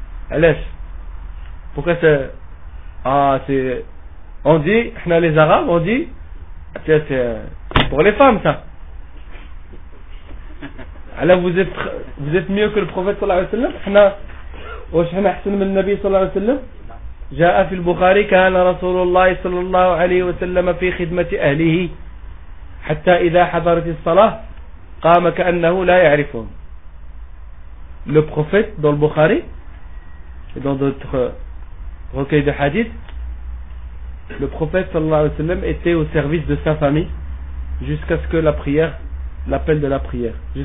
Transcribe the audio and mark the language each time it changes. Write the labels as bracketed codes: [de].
[fr] Elle est. Pourquoi c'est... Ah, c'est... On dit, les Arabes, on dit... C'est pour les femmes, ça. Alors vous êtes mieux que le prophète, sallallahu alayhi wa sallam. [ar] وشحنا أحسن من النبي صلى الله عليه وسلم جاء في البخاري كان رسول الله صلى الله عليه وسلم في خدمة أهله حتى إذا حضرت الصلاة قام كأنه لا يعرفهم. [fr] Le prophète dans le Bukhari et dans d'autres recueils de hadith, le prophète صلى الله عليه وسلم était au service de sa famille jusqu'à ce que l'appel de la prière.